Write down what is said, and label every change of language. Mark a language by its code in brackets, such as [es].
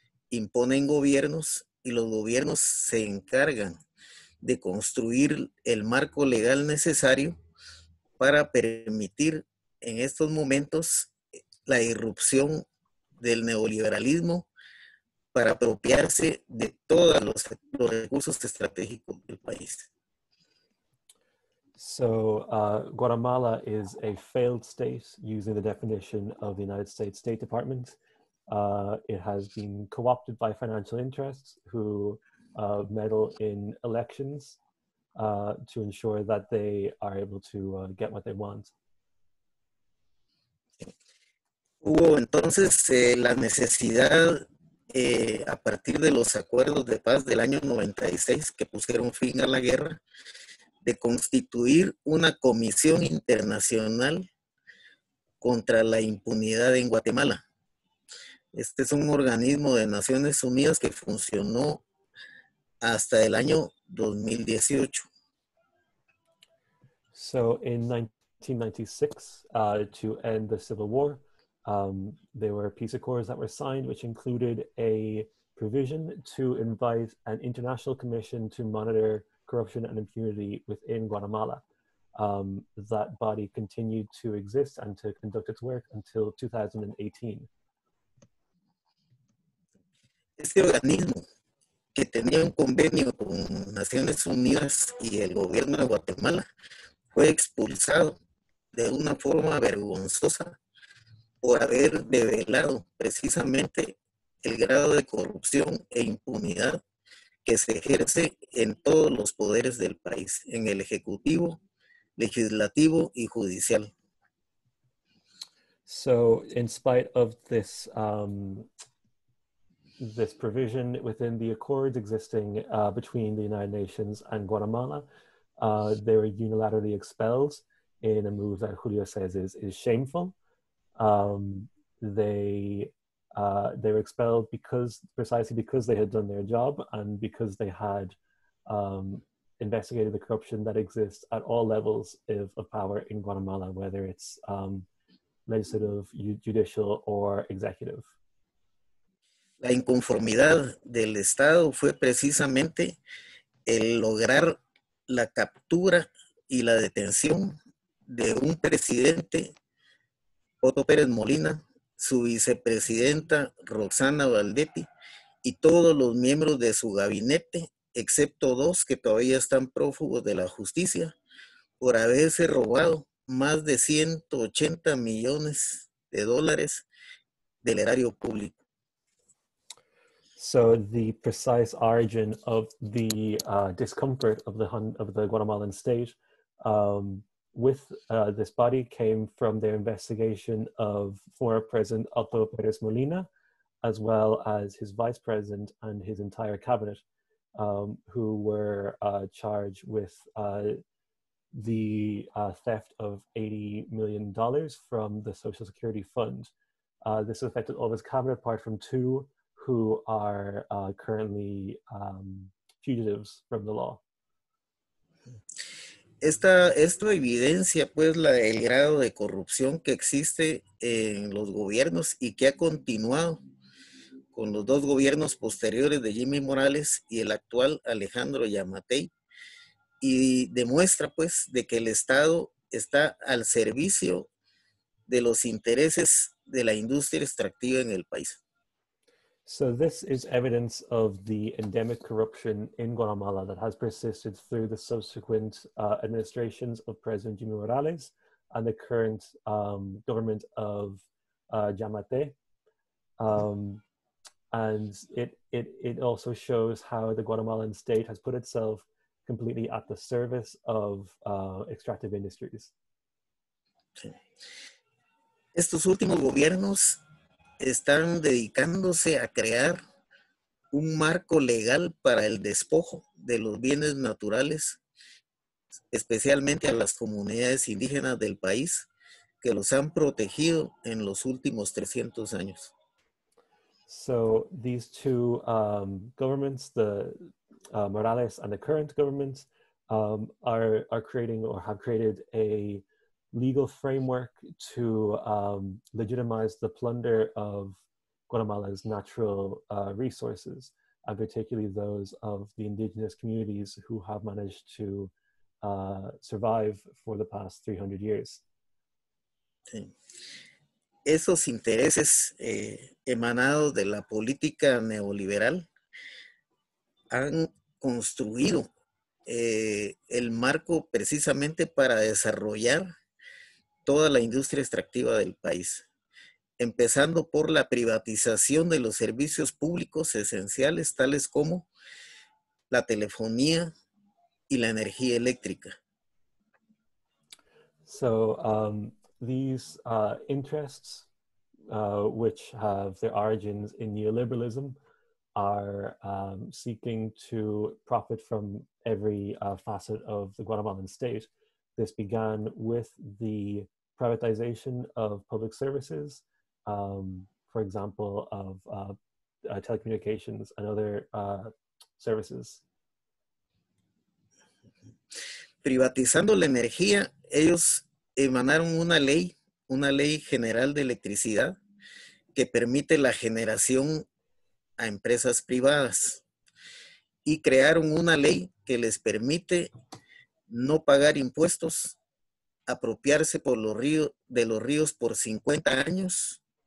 [es] Imponen gobiernos y los gobiernos se encargan de construir el marco legal necesario para permitir en estos momentos la irrupción del neoliberalismo para apropiarse de todos los recursos estratégicos del país. [en] So, Guatemala is a failed state using the definition of the United States State Department. It has been co-opted by financial interests who meddle in elections to ensure that they are able to get what they want. [es] Hubo entonces la necesidad a partir de los acuerdos de paz del año 96 que pusieron fin a la guerra de constituir una comisión internacional contra la impunidad en Guatemala. Este es un organismo de Naciones Unidas que funcionó hasta el año 2018. [en] So in 1996, to end the civil war, there were peace accords that were signed, which included a provision to invite an international commission to monitor corruption and impunity within Guatemala. That body continued to exist and to conduct its work until 2018. [es] Este organismo que tenía un convenio con Naciones Unidas y el gobierno de Guatemala, fue expulsado de una forma vergonzosa por haber develado precisamente el grado de corrupción e impunidad que se ejerce en todos los poderes del país, en el ejecutivo, legislativo y judicial. [en] So, in spite of this, this provision within the accords existing between the United Nations and Guatemala, they were unilaterally expelled in a move that Julio says is shameful. They were expelled because precisely because they had done their job and because they had investigated the corruption that exists at all levels of power in Guatemala, whether it's legislative, judicial, or executive. [es] La inconformidad del Estado fue precisamente el lograr la captura y la detención de un presidente, Otto Pérez Molina, su vicepresidenta Roxana Valdetti y todos los miembros de su gabinete, excepto dos que todavía están prófugos de la justicia, por haberse robado más de 180 millones de dólares del erario público. [en] So the precise origin of the discomfort of the Guatemalan state with this body came from their investigation of former President Otto Pérez Molina, as well as his vice president and his entire cabinet, who were charged with the theft of $80 million from the Social Security Fund. This affected all of his cabinet, apart from two who are currently fugitives from the law. [es] Esto evidencia pues el grado de corrupción que existe en los gobiernos y que ha continuado con los dos gobiernos posteriores de Jimmy Morales y el actual Alejandro Yamatei, y demuestra pues de que el Estado está al servicio de los intereses de la industria extractiva en el país. [en] So this is evidence of the endemic corruption in Guatemala that has persisted through the subsequent administrations of President Jimmy Morales and the current government of Yamatei. And it also shows how the Guatemalan state has put itself completely at the service of extractive industries. [es] Estos últimos gobiernos están dedicándose a crear un marco legal para el despojo de los bienes naturales, especialmente a las comunidades indígenas del país que los han protegido en los últimos 300 años. [en] So these two governments, the Morales and the current government, are creating or have created a legal framework to legitimize the plunder of Guatemala's natural resources, and particularly those of the indigenous communities who have managed to survive for the past 300 years. [es] Esos intereses emanados de la política neoliberal han construido el marco precisamente para desarrollar toda la industria extractiva del país, empezando por la privatización de los servicios públicos esenciales, tales como la telefonía y la energía eléctrica. [en] So, these interests, which have their origins in neoliberalism, are seeking to profit from every facet of the Guatemalan state. This began with the privatization of public services, for example, of telecommunications and other services. [es] Privatizando la energía, ellos emanaron una ley general de electricidad, que permite la generación a empresas privadas, y crearon una ley que les permite no pagar impuestos, apropiarse por los ríos, de los ríos por 50 años,